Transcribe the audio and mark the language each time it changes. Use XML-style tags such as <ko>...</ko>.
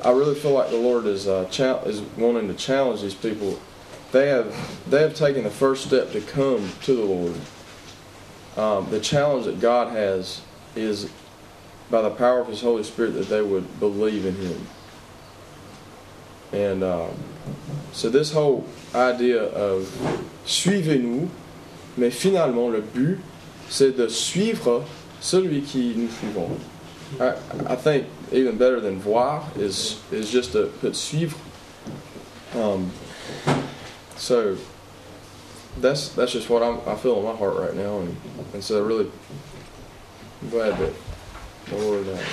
<en>I really feel like the Lord is wanting to challenge these people. They have taken the first step to come to the Lord. The challenge that God has is by the power of His Holy Spirit that they would believe in Him. And so this whole idea of</en> <fr>suivez-nous, mais finalement le but, c'est de suivre celui qui nous suivons.</fr> <en>I think even better than voir is just to put suivre. So that's just what I feel in my heart right now, and so I'm really glad that the Lord.</en>